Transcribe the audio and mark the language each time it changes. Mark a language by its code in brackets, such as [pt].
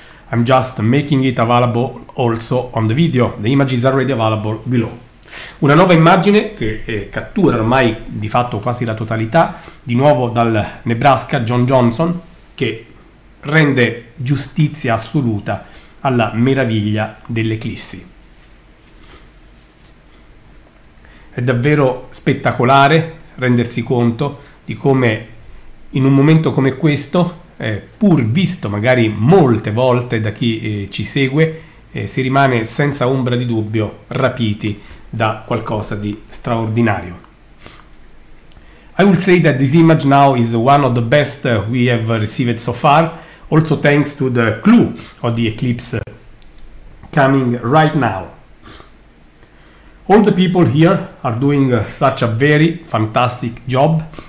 [en] I'm just making it available also on the video. The image is already available below. [it] Una nuova immagine che cattura ormai di fatto quasi la totalità, di nuovo dal Nebraska, John Johnson, che rende giustizia assoluta alla meraviglia dell'eclissi. È davvero spettacolare rendersi conto di come in un momento come questo, pur visto magari molte volte da chi ci segue, si rimane senza ombra di dubbio rapiti da qualcosa di straordinario. [en] I will say that this image now is one of the best we have received so far, also thanks to the clue of the eclipse coming right now. All the people here are doing such a very fantastic job.